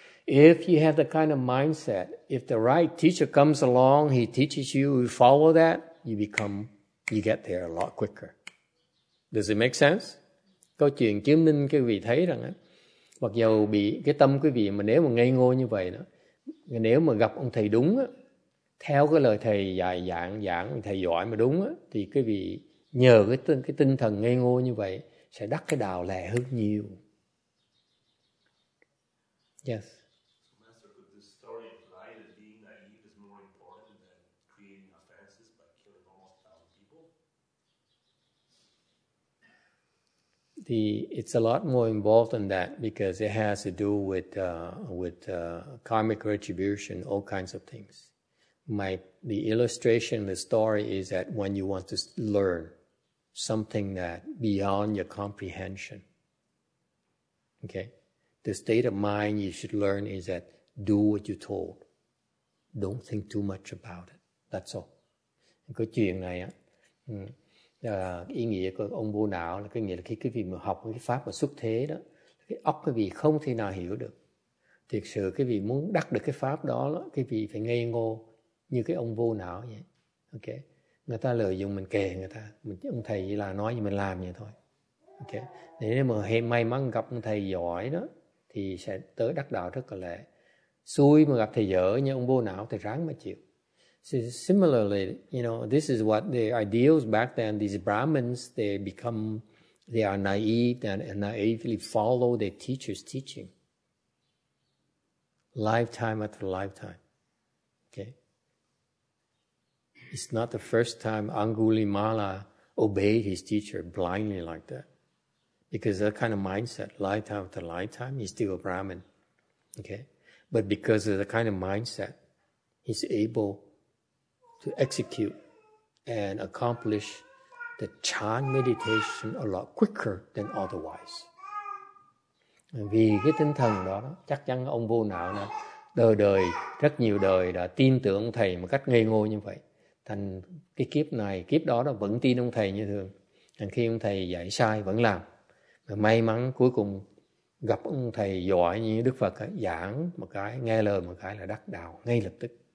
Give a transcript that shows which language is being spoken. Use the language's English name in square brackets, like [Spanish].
[English] If you have the kind of mindset, if the right teacher comes along, he teaches you, you follow that, you get there a lot quicker. Does it make sense? [Vietnamese] Câu chuyện chứng minh quý vị thấy rằng ấy, mặc dù bị cái tâm quý vị mà nếu mà ngây ngô như vậy đó, nếu mà gặp ông thầy đúng á, theo cái lời thầy dạy giảng thầy giỏi mà đúng á, thì quý vị nhờ cái tinh thần ngây ngô như vậy sẽ đắc cái đạo lẹ hơn nhiều. [English] Yes. It's a lot more involved than that because it has to do with karmic retribution, all kinds of things. The illustration, the story is that when you want to learn something that beyond your comprehension, okay, the state of mind you should learn is that do what you're told. Don't think too much about it. That's all. [Vietnamese] Cái chuyện này á, ý nghĩa của ông vô não là cái nghĩa là khi quý vị mà học cái pháp mà xuất thế đó, cái óc quý vị không thể nào hiểu được. Thực sự quý vị muốn đắc được cái pháp đó, quý vị phải ngây ngô như cái ông vô não vậy. Okay. người ta lợi dụng mình kề người ta, mình ông thầy chỉ là nói gì mình làm vậy thôi. Ok, nếu mà hay may mắn gặp ông thầy giỏi đó thì sẽ tới đắc đạo rất là lẹ. Xui mà gặp thầy dở như ông vô não thì ráng mà chịu. [English] So similarly, you know, this is what the ideals back then, these Brahmins, they are naive and naively follow their teacher's teaching. Lifetime after lifetime. Okay. It's not the first time Angulimala obeyed his teacher blindly like that. Because that kind of mindset, lifetime after lifetime, he's still a Brahmin. Okay. But because of the kind of mindset, he's able to execute and accomplish the chan meditation a lot quicker than otherwise. [Vietnamese] Vì cái tinh thần đó, chắc chắn ông vô não là đời đời, rất nhiều đời đã tin tưởng thầy một cách ngây ngô như vậy. Thành cái kiếp này, kiếp đó đó vẫn tin ông thầy như thường. Thành khi ông thầy dạy sai vẫn làm. Và may mắn cuối cùng gặp ông thầy giỏi như Đức Phật ấy, giảng một cái, nghe lời một cái là đắc đạo ngay lập tức.